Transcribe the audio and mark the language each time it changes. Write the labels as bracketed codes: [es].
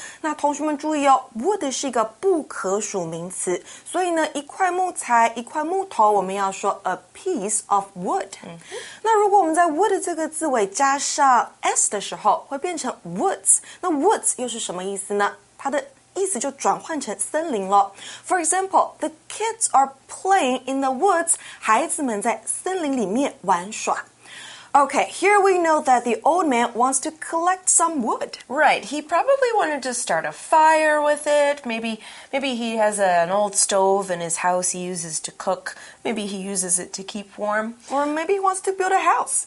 [zh] 那同学们注意哦 ，wood 是一个不可数名词，所以呢，一块木材、一块木头，我们要说 a piece of wood。Mm-hmm. 那如果我们在 wood 这个字尾加上 s 的时候，会变成 woods。那 woods 又是什么意思呢？它的意思就转换成森林了。 [en] For example, the kids are playing in the woods. [zh] 孩子们在森林里面玩耍。 [en] Okay, here we know that the old man wants to collect some wood. Right, he probably wanted to start a fire with it. Maybe he has an old stove in his house he uses to cook. Maybe he uses it to keep warm. Or maybe he wants to build a house.